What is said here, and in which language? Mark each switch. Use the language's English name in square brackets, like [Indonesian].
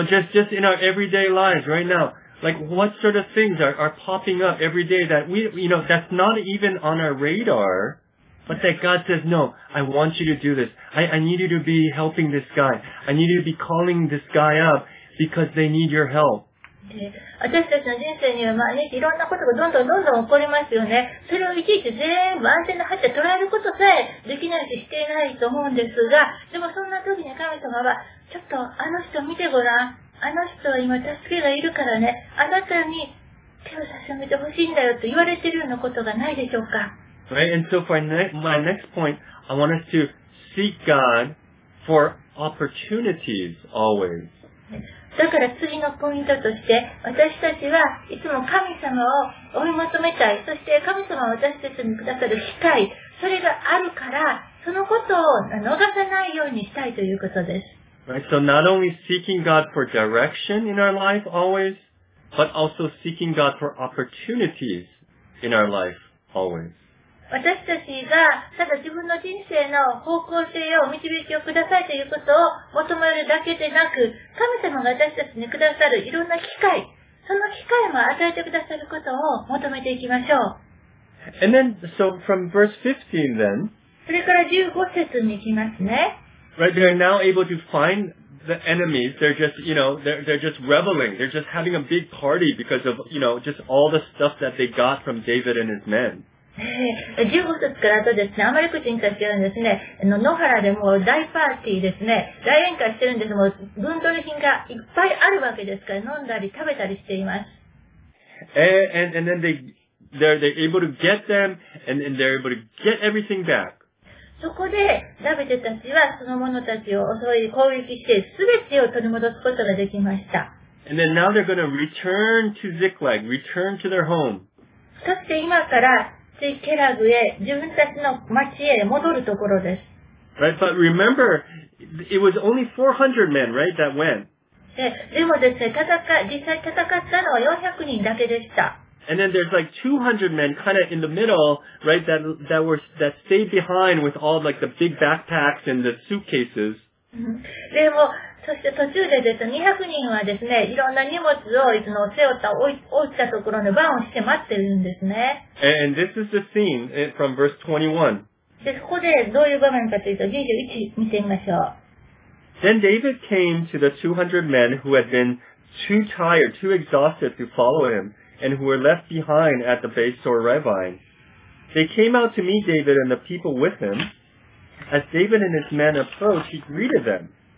[English] just in our everyday lives right now,Like, what sort of things are popping up every day that we, you know, that's not even on our radar, but that God says, no, I want you to do this. I need you to be helping this guy. I need you to be calling this guy up because they need your help. [Japanese] で、私たちの人生には毎日いろんなことがどんどんどんどん起こりますよね。それをいちいち全部安全な範囲で捉えることさえできないししていないと思うんですが、でもそんな時に神様は、ちょっとあの人見てごらん。あの人は今助けがいるからね。あなたに手を差し伸べてほしいんだよと言われているようなことがないでしょうか。 [English] Right, and so for my next point, I want us to seek God for opportunities always. [Japanese] だから次のポイントとして、私たちはいつも神様を追い求めたい。そして神様は私たちにくださる機会、それがあるから、そのことを逃さないようにしたいということです。 [English] Right, so not only seeking God for direction in our life always, but also seeking God for opportunities in our life always. [Japanese] 私たちがただ自分の人生の方向性を導きをくださいということを求めるだけでなく、神様が私たちにくださるいろんな機会、その機会も与えてくださることを求めていきましょう。 [English] And then, so from verse 15 then, [Japanese] それから15節に行きますね。 [English] Right, they're now able to find the enemies. They're just, you know, they're just reveling. They're just having a big party because of, you know, just all the stuff that they got from David and his men. [Japanese] 15節からあとですね、アマレク人たちはですね、野原でもう大パーティーですね、大宴会してるんです。もう分取り品がいっぱいあるわけですから、飲んだり食べたりしています。 [English] And then they're able to get them, and they're able to get everything back. [Japanese] そこで、ダビデたちはその者たちを襲い攻撃して、すべてを取り戻すことができました。 [English] And then now they're going to return to Ziklag, return to their home. [Japanese] そして今から、ついケラグへ自分たちの町へ戻るところです。 [English] Right, but remember, it was only 400 men, right, that went. [Japanese] でもですね、実際戦ったのは400人だけでした。 [English] And then there's like 200 men kind of in the middle, right, that stayed behind with all like the big backpacks and the suitcases. [Japanese] でも、そして途中でですね、200人はですね、いろんな荷物をいつも背負った、置いたところの番をして待ってるんですね。 [English] And this is the scene from verse 21. [Japanese] で、ここでどういう場面かというと、21見てみましょう。 [English] Then David came to the 200 men who had been too tired, too exhausted to follow him, and who were left behind at the Beit Tzor Ravine. They came out to meet David and the people with him. As David and his men approached, he greeted them.